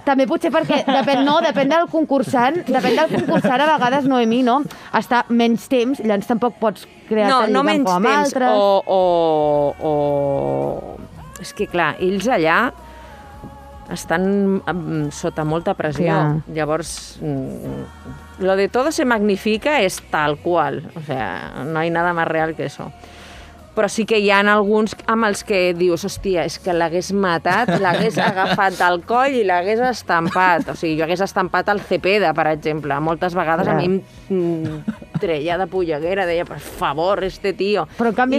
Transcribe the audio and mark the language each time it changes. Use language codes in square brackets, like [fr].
[ca] També potser perquè, depèn del concursant, a vegades, Noemí, no? Està menys temps, llavors tampoc pots crear no menys amb temps, altres. O... És que, clar, ells allà estan sota molta pressió. Clar. [es] Llavors, lo de todo se magnifica [ca] és tal qual. [es] O sea, no hay nada más real que eso. [ca] Però sí que hi ha alguns amb els que dius, hòstia, és que l'hagués matat, l'hagués agafat del coll i l'hagués estampat. O sigui, jo hagués estampat el Cepeda, per exemple. Moltes vegades a mi em treia de polleguera, deia, per favor, [es] este tio. [ca] Però en canvi